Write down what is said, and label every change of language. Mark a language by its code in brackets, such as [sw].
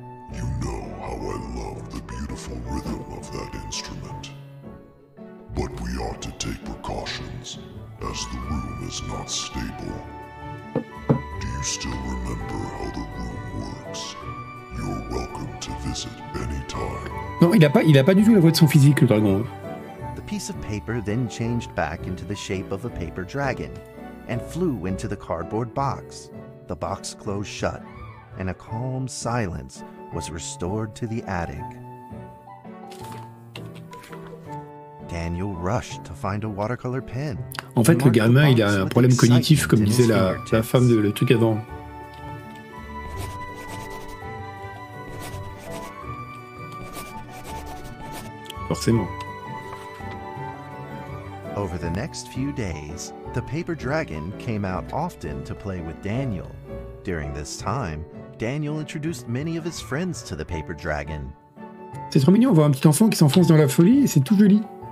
[en] You know how I love the beautiful rhythm of that instrument. But we ought to take precautions, as the room is not stable. Do you still remember how the room works? You're welcome to visit anytime. [fr] Non, il a pas du tout la voix de son physique, le dragon. [en] The piece of paper then changed back into the shape of a paper dragon and flew into the cardboard box. The box closed shut, and a calm silence was restored to the attic. Daniel rushed to find a watercolor pen. [fr] En fait, le gamin, il a un problème cognitif, comme disait la femme de le truc avant. Forcément. [en] Over the next few days, the paper dragon came out often to play with Daniel. During this time, Daniel introduced many of his friends to the paper dragon. [fr] C'est trop mignon, on voit un petit enfant qui s'enfonce dans la folie et c'est tout joli.